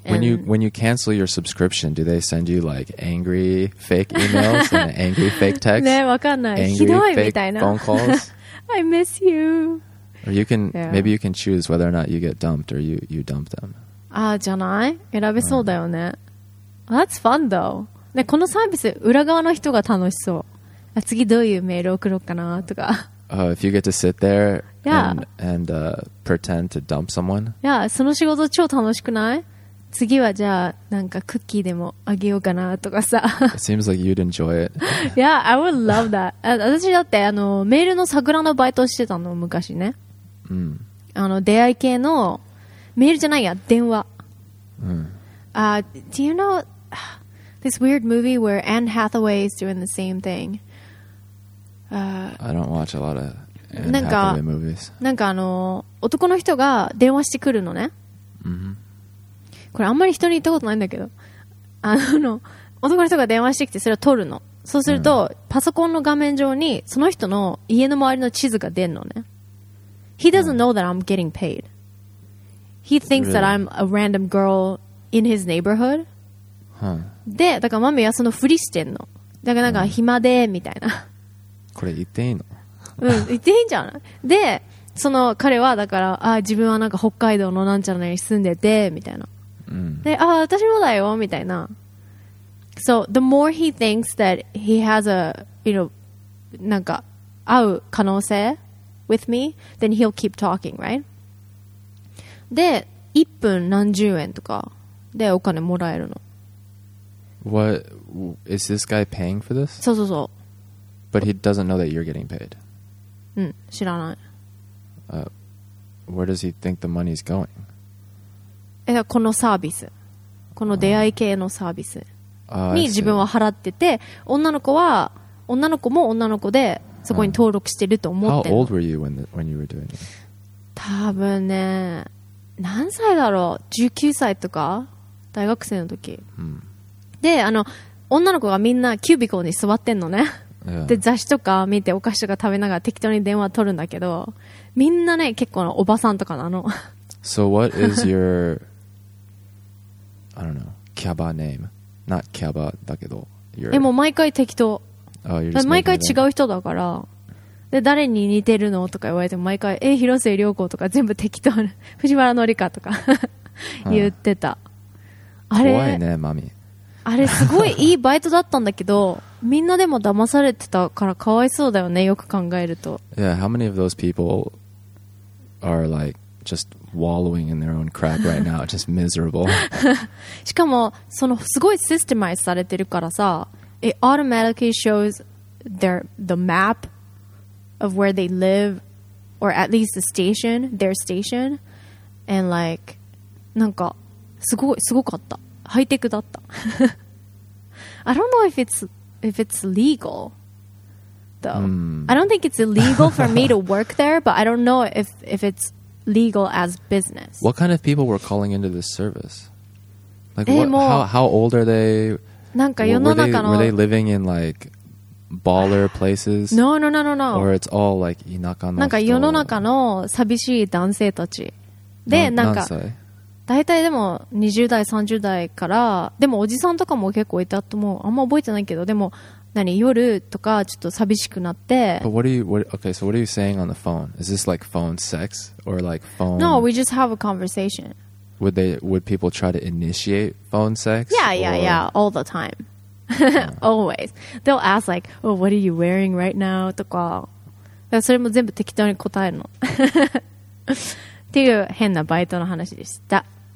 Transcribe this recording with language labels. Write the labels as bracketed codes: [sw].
[en] When you cancel your subscription, do they send you like angry fake emails and angry fake texts? [ja] ね、わかんない。 [en] Angry fake phone calls? I miss you. Or you can, maybe you can choose whether or not you get dumped or you dump them. [ja] ああ、じゃない?選べそうだよね。 [en] That's fun though. [ja] ね、このサービス裏側の人が楽しそう。次どういうメール送ろうかなとか。 [en] If you get to sit there yeah. and pretend to dump someone. [ja] Yeah, その仕事超楽しくない? 次はじゃあなんかクッキーでもあげようかなとかさ。 [en] It seems like you'd enjoy it. Yeah, I would love that. [ja] 私だってあのメールの桜のバイトしてたの昔ね。うん。あの出会い系のメールじゃないや電話。うん。 [en] Do you know this weird movie where Anne Hathaway is doing the same thing? I don't watch a lot of Anne Hathaway movies. [ja] なんかあの男の人が電話してくるのね。うん。これあんまり人に言ったことないんだけど、あの男の人が電話してきてそれを取るの。そうするとパソコンの画面上にその人の家の周りの地図が出んのね。 [en] He doesn't know that I'm getting paid. He thinks that I'm a random girl in his neighborhood. [ja] で、だからマミはそのふりしてんの。だからなんか暇でみたいな。これ言っていいの？うん、言っていいんじゃない？で、その彼はだからあ自分はなんか北海道のなんちゃらに住んでてみたいな。で、あ、私もだよみたいな。 [en] So the more he thinks that he has a, you know, [ja] なんか会う可能性 [en] with me, then he'll keep talking, right? [ja] で、1分何十円とかでお金もらえるの。 [en] What is this guy paying for this? [ja] そうそうそう。 [en] But he doesn't know that you're getting paid. [ja] うん、知らない。 [en] Where does he think the money's going? [ja] このサービス、この出会い系のサービスに自分は払ってて、女の子は女の子も女の子でそこに登録してると思ってる。 [en] How old were you when you were doing it? [ja] 多分ね、何歳だろう、19歳とか大学生の時。 Hmm. で、あの女の子がみんなキュービコーに座ってんのね。 [en] Yeah. [ja] で雑誌とか見てお菓子とか食べながら適当に電話取るんだけど、みんなね結構おばさんとかなの。 [en] So what is your, I don't know, Kyaba name? Not Kyaba, [ja] だけど [en] your... [ja] え、もう毎回適当。 [en] Oh, you're just [ja] 毎回違う人だから。で、誰に似てるのとか言われても毎回、え、広瀬涼子とか全部適当な。藤原紀香とか言ってた。あれ怖いね、マミ。あれ、すごいいいバイトだったんだけど、みんなでも騙されてたからかわいそうだよね、よく考えると。 [en] Yeah, how many of those people are like, just... wallowing in their own crap right now, just miserable. [ja] しかもそのすごいシステマイズされてるからさ、 [en] it automatically shows their the map of where they live, or at least the station, their station, and like [ja] なんかすごかった、ハイテクだった。 [en] I don't know if it's legal, though. Mm. I don't think it's illegal for me to work there, but I don't know if it'sLegal as business. What kind of people were calling into this service? Like, what, how old are they? Were they living in like baller places? No. Or it's all like [ja] 田舎の人。なんか世の中の寂しい男性たち。で、なんか、大体でも20代、30代から、でもおじさんとかも結構いたと思う。あんま覚えてないけど、でも、何夜とかちょっと寂しくなって。 [en] But what are you, okay, so what are you saying on the phone? Is this like phone sex? Or like phone... No, we just have a conversation. Would people try to initiate phone sex? Yeah, all the time. Yeah. Always. They'll ask like, oh, what are you wearing right now? [ja] とか。それも全部適当に答えるの。っていう変なバイトの話でした。